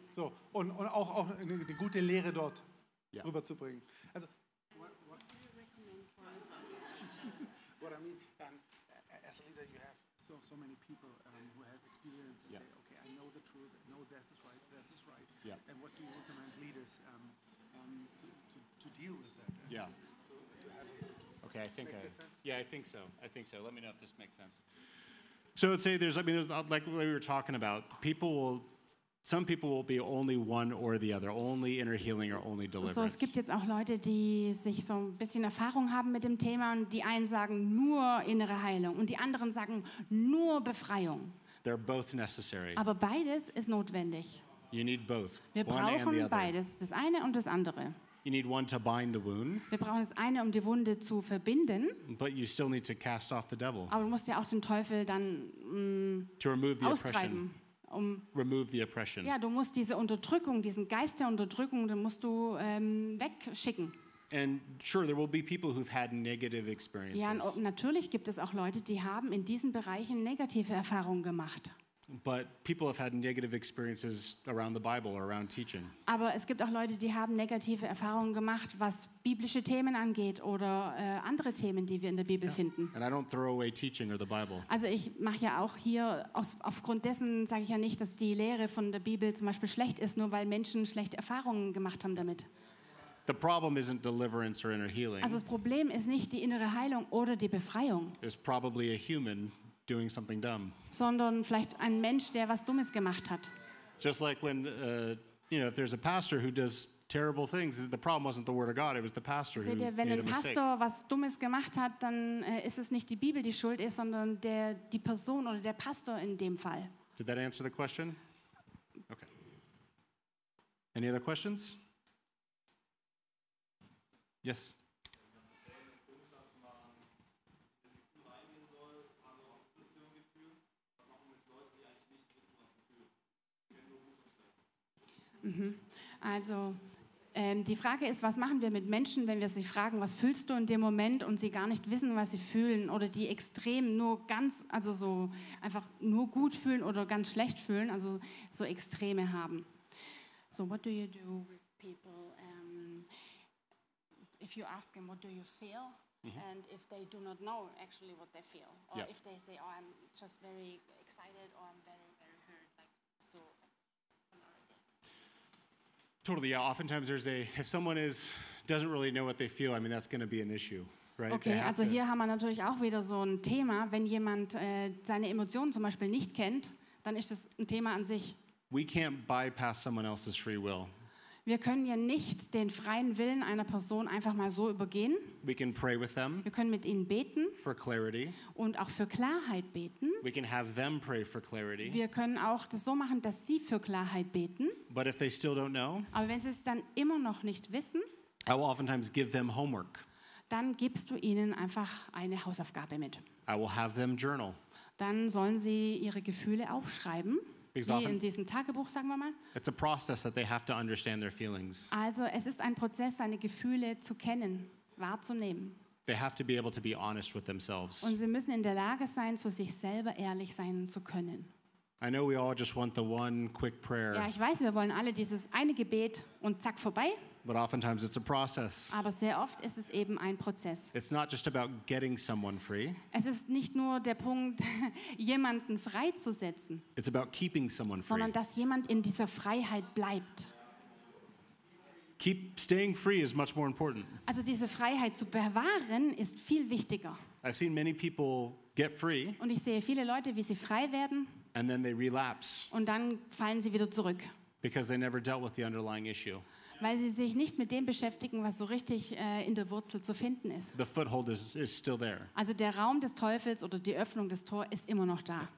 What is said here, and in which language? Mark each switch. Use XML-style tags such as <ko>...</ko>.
<de>So, und auch eine gute Lehre dort rüberzubringen. Also,</de> <en>what do you recommend for teaching? What I mean, as a leader, you have so many people who have experience and say, okay, I know the truth, I know this is right. Yeah. And what do you recommend leaders to deal with that? Yeah. To have a okay, I think I think so. Let me know if this makes sense. So let's say there's like what we were talking about. Some people will be only one or the other, only inner healing or only deliverance.</en> <de>So es gibt jetzt auch Leute, die sich so ein bisschen Erfahrung haben mit dem Thema und die einen sagen nur innere Heilung und die anderen sagen nur Befreiung.</de> <en>They're both necessary.</en> <de>Aber beides ist notwendig.</de> <en>You need both.</en> <de>Wir brauchen beides, das eine und das andere.</de> <en>You need one to bind the wound.</en> <de>Wir brauchen das eine, um die Wunde zu verbinden.</de> <en>But you still need to cast off the devil.</en> <de>Aber du musst ja auch den Teufel dann austreiben.</de> <en>Remove the oppression.</en> <de>Ja, du musst diese Unterdrückung, diesen Geist der Unterdrückung, den musst du wegschicken.</de> <en>And sure, there will be people who've had negative experiences.</en> <de>Ja, und natürlich gibt es auch Leute, die haben in diesen Bereichen negative Erfahrungen gemacht.</de> <en>But people have had negative experiences around the Bible or around teaching.</en> <de>Aber es gibt auch Leute, die haben negative Erfahrungen gemacht, was biblische Themen angeht oder andere Themen, die wir in der Bibel finden.</de> <en>And I don't throw away teaching or the Bible.</en> <de>Also ich mache ja auch hier aufgrund dessen sage ich ja nicht, dass die Lehre von der Bibel zum Beispiel schlecht ist, nur weil Menschen schlechte Erfahrungen gemacht haben damit.</de> <en>The problem isn't deliverance or inner healing.</en> <de>Also das Problem ist nicht die innere Heilung oder die Befreiung.</de> <en>It's probably a human doing something dumb.</en> <de>Sondern vielleicht ein Mensch, der was Dummes gemacht hat.</de> <en>Just like when, if there's a pastor who does terrible things, the problem wasn't the word of God, it was the pastor who made a mistake.</en> <de>Wenn ein Pastor was Dummes gemacht hat, dann ist es nicht die Bibel, die schuld ist, sondern die Person oder der Pastor in dem Fall.</de> <en>Did that answer the question? Okay. Any other questions? Yes.</en> <de>Also die Frage ist, was machen wir mit Menschen, wenn wir sie fragen, was fühlst du in dem Moment und sie gar nicht wissen, was sie fühlen oder die extrem nur ganz, also so einfach nur gut fühlen oder ganz schlecht fühlen, also so Extreme haben.</de> <en>So what do you do with people if you ask them what do you feel and if they do not know actually what they feel or if they say, oh, I'm just very excited or I'm very, very hurt, like so. Totally, yeah. Oftentimes if someone doesn't really know what they feel, I mean, that's going to be an issue, right?</en> <de>Okay, also hier haben wir natürlich auch wieder so ein Thema. Wenn jemand seine Emotionen zum Beispiel nicht kennt, dann ist das ein Thema an sich.</de> <en>We can't bypass someone else's free will.</en> <de>Wir können ja nicht den freien Willen einer Person einfach mal so übergehen.</de> <en>We can pray with them.</en> <de>Wir können mit ihnen beten.</de> <en>For clarity.</en> <de>Und auch für Klarheit beten.</de> <en>We can have them pray for clarity.</en> <de>Wir können auch das so machen, dass sie für Klarheit beten.</de> <en>But if they still don't know.</en> <de>Aber wenn sie es dann immer noch nicht wissen.</de> <en>I will oftentimes give them homework.</en> <de>Dann gibst du ihnen einfach eine Hausaufgabe mit.</de> <en>I will have them journal.</en> <de>Dann sollen sie ihre Gefühle aufschreiben. Wie in diesem Tagebuch, sagen wir mal.</de> <en>It's a process that they have to understand their feelings.</en> <de>Also, es ist ein Prozess, seine Gefühle zu kennen, wahrzunehmen.</de> <en>They have to be able to be honest with themselves.</en> <de>Und sie müssen in der Lage sein, zu sich selber ehrlich sein zu können.</de> <en>I know we all just want the one quick prayer.</en> <de>Ja, ich weiß, wir wollen alle dieses eine Gebet und zack vorbei.</de> <en>But oftentimes it's a process.</en> <de>Aber sehr oft ist es eben ein Prozess.</de> <en>It's not just about getting someone free.</en> <de>Es ist nicht nur der Punkt, jemanden freizusetzen.</de> <en>It's about keeping someone free.</en> <de>Sondern dass jemand in dieser Freiheit bleibt.</de> <en>Keep staying free is much more important.</en> <de>Also diese Freiheit zu bewahren ist viel wichtiger.</de> <en>I've seen many people get free.</en> <de>Und ich sehe viele Leute, wie sie frei werden.</de> <en>And then they relapse.</en> <de>Und dann fallen sie wieder zurück.</de> <en>Because they never dealt with the underlying issue.</en> <de>Weil sie sich nicht mit dem beschäftigen, was so richtig in der Wurzel zu finden ist.</de> <en>The foothold is still there.</en> <de>Also der Raum des Teufels oder die Öffnung des Tor ist immer noch da.</de>